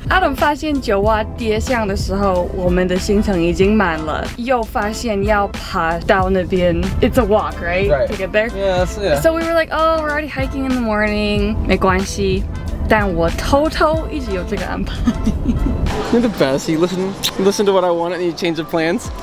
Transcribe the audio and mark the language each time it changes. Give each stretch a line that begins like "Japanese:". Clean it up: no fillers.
Chinese: Adam 发现九蛙跌向的时候，我们的行程已经满了，又发现要爬到那边。
English: It's a walk, right? Right. To get there. Yeah, so we were like, oh, we're already hiking in the morning.
Chinese: 没关系，但我偷偷一直有这个安排。
English: You're the best. You listen to what I want, and you change the plans.